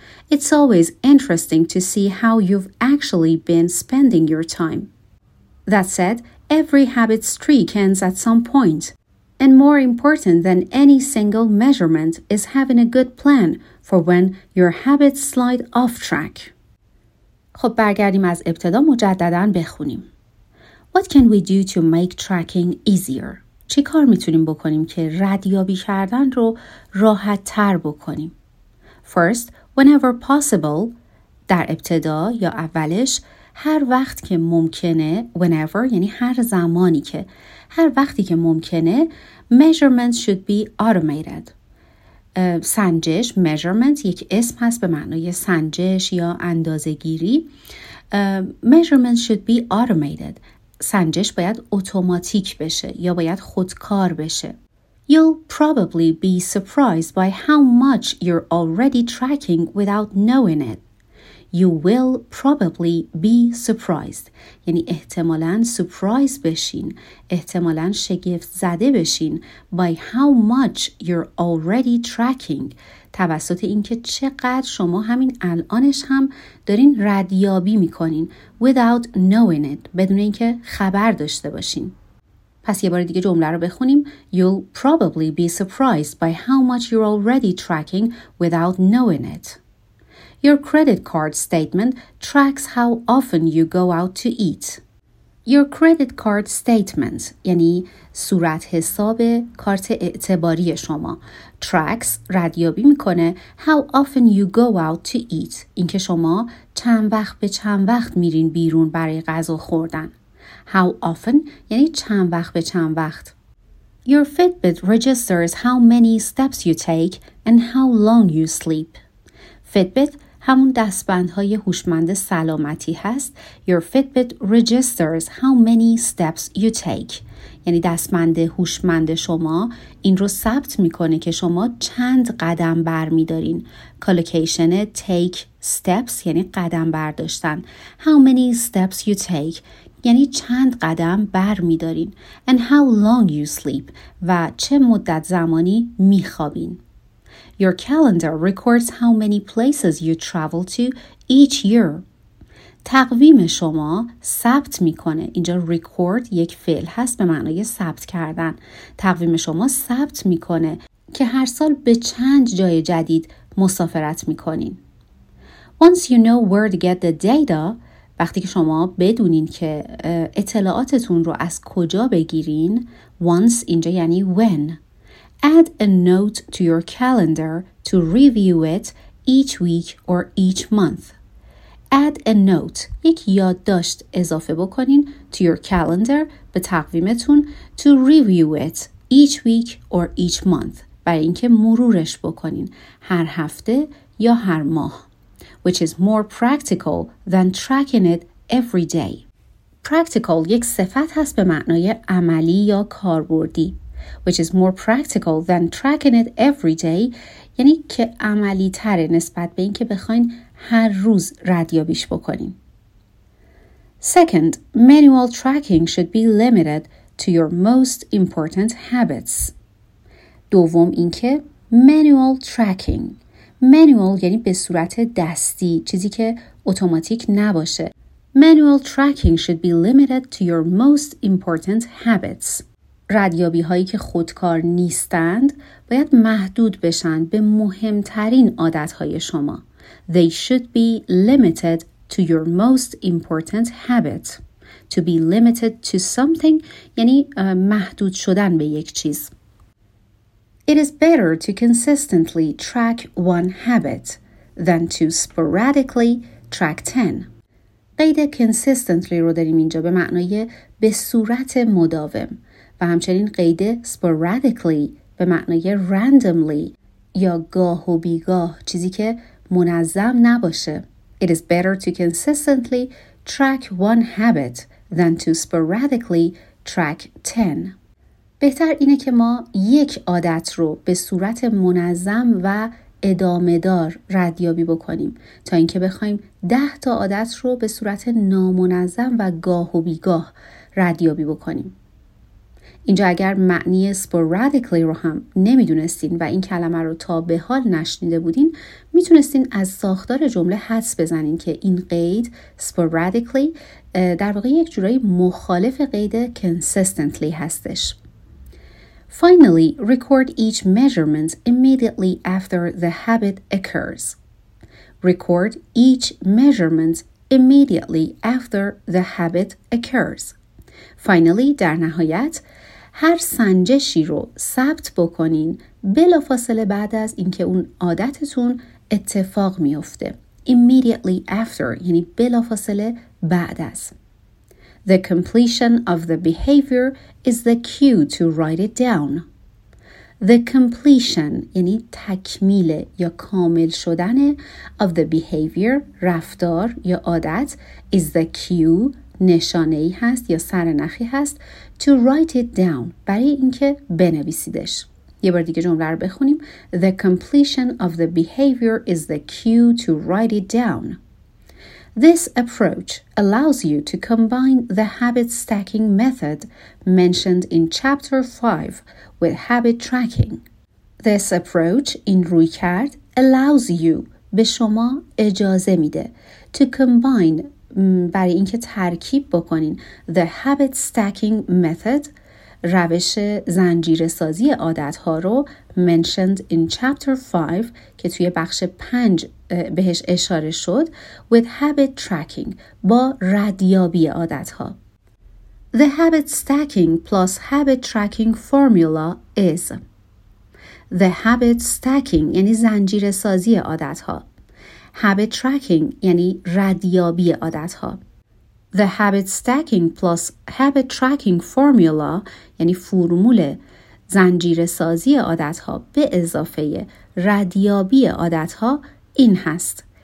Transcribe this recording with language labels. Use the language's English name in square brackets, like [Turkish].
[English] It's always interesting to see how you've actually been spending your time. That said, every habit streak ends at some point. And more important than any single measurement is having a good plan for when your habits slide off track. [Persian] خب برگردیم از ابتدا مجدداً بخونیم. [English] What can we do to make tracking easier? [Persian] چی کار میتونیم بکنیم که ردیابی کردن رو راحت تر بکنیم؟ [English] First, whenever possible, [Persian] در ابتدا یا اولش، هر وقت که ممکنه، whenever یعنی هر زمانی که، هر وقتی که ممکنه، [English] measurements should be automated. [Persian] سنجش، measurement یک اسم هست به معنای سنجش یا اندازه‌گیری. [English] Measurements should be automated. [Persian] سنجش باید اتوماتیک بشه یا باید خودکار بشه. [English] You'll probably be surprised by how much you're already tracking without knowing it. You will probably be surprised. [Persian] یعنی احتمالاً سپرایز بشین، احتمالاً شگفت زده بشین [English] by how much you're already tracking. [Persian] توسط اینکه چقدر شما همین الانش هم دارین ردیابی میکنین [English] without knowing it، [Persian] بدون اینکه خبر داشته باشین. پس یه بار دیگه جمله رو بخونیم. [English] You'll probably be surprised by how much you're already tracking without knowing it. Your credit card statement tracks how often you go out to eat. Your credit card statement, [Persian] یعنی صورت حساب کارت اعتباری شما, tracks, ردیابی میکنه, [English] how often you go out to eat, [Persian] اینکه شما چند وقت به چند وقت میرین بیرون برای غذا خوردن. [English] How often, [Persian] یعنی چند وقت به چند وقت. [English] Your Fitbit registers how many steps you take and how long you sleep. Fitbit, [Persian] همون دستبندهای هوشمند سلامتی هست [English] Your Fitbit registers how many steps you take. [Persian] یعنی دستبند هوشمند شما این رو ثبت میکنه که شما چند قدم برمیدارین. کالوکیشن take steps یعنی قدم برداشتن. [English] How many steps you take [Persian] یعنی چند قدم برمیدارین. [English] And how long you sleep [Persian] و چه مدت زمانی میخوابین. [English] Your calendar records how many places you travel to each year. [Persian] تقویم شما ثبت میکنه. اینجا record یک فعل هست به معنای ثبت کردن. تقویم شما ثبت میکنه که هر سال به چند جای جدید مسافرت میکنین. [English] Once you know where to get the data، [Persian] وقتی که شما بدونین که اطلاعاتتون رو از کجا بگیرین، [English] once [Persian] اینجا یعنی [English] when، add a note to your calendar to review it each week or each month. Add a note. [Persian] یک یادداشت اضافه بکنین [English] to your calendar [Persian] به تقویمتون [English] to review it each week or each month. [Persian] برای اینکه مرورش بکنین هر هفته یا هر ماه. [English] Which is more practical than tracking it every day. [Persian] Practical یک صفت هست به معنای عملی یا کاربردی. [English] Which is more practical than tracking it every day. [Persian] یعنی که عملی تره نسبت به این که بخواین هر روز ردیابیش بکنین. [English] Second, manual tracking should be limited to your most important habits. [Persian] دوم این که [English] manual tracking. [Persian] Manual یعنی به صورت دستی، چیزی که اتوماتیک نباشه. [English] Manual tracking should be limited to your most important habits. [Persian] ردیابی هایی که خودکار نیستند باید محدود بشن به مهمترین عادت های شما. [English] They should be limited to your most important habit. To be limited to something [Persian] یعنی محدود شدن به یک چیز. [English] It is better to consistently track one habit than to sporadically track 10. [Persian] قید consistently رو داریم اینجا به معنای به صورت مداوم. و همچنین قید sporadically به معنای randomly یا گاه و بیگاه، چیزی که منظم نباشه. [English] It is better to consistently track one habit than to sporadically track 10. [Persian] بهتر اینه که ما یک عادت رو به صورت منظم و ادامه دار ردیابی بکنیم تا اینکه بخوایم 10 تا عادت رو به صورت نامنظم و گاه و بیگاه ردیابی بکنیم. اینجا اگر معنی sporadically رو هم نمیدونستین و این کلمه رو تا به حال نشنیده بودین، میتونستین از ساختار جمله حدس بزنین که این قید sporadically در واقع یک جورایی مخالف قید consistently هستش. [English] Finally, record each measurement immediately after the habit occurs. Record each measurement immediately after the habit occurs. [Persian] Finally, در نهایت، هر سنجشی رو ثبت بکنین بلافاصله بعد از اینکه اون عادتتون اتفاق میفته. [English] Immediately after [Persian] یعنی بلافاصله بعد از. [English] The completion of the behavior is the cue to write it down. The completion [Persian] یعنی تکمیل یا کامل شدن [English] of the behavior [Persian] رفتار یا عادت [English] is the cue [Persian] نشانه‌ای هست یا سرنخی هست [English] to write it down [Persian] برای اینکه بنویسیدش. یه بار دیگه جمله رو بخونیم. [English] The completion of the behavior is the cue to write it down. This approach allows you to combine the habit stacking method mentioned in chapter 5 with habit tracking. This approach [Persian] این رویکرد [English] allows you [Persian] به شما اجازه میده [English] to combine [Persian] برای اینکه ترکیب بکنین [English] the habit stacking method [Persian] روش زنجیره سازی عادت ها رو [English] mentioned in chapter 5 [Persian] که توی بخش 5 بهش اشاره شد [English] with habit tracking [Persian] با ردیابی عادت ها. [English] The habit stacking plus habit tracking formula is the habit stacking [Persian] یعنی زنجیره سازی عادت ها. [English] Habit tracking [Persian] یعنی ردیابی عادت ها. [English] The habit stacking plus habit tracking formula [Persian] یعنی فرمول زنجیره سازی عادت ها به اضافه ردیابی عادت ها این هست.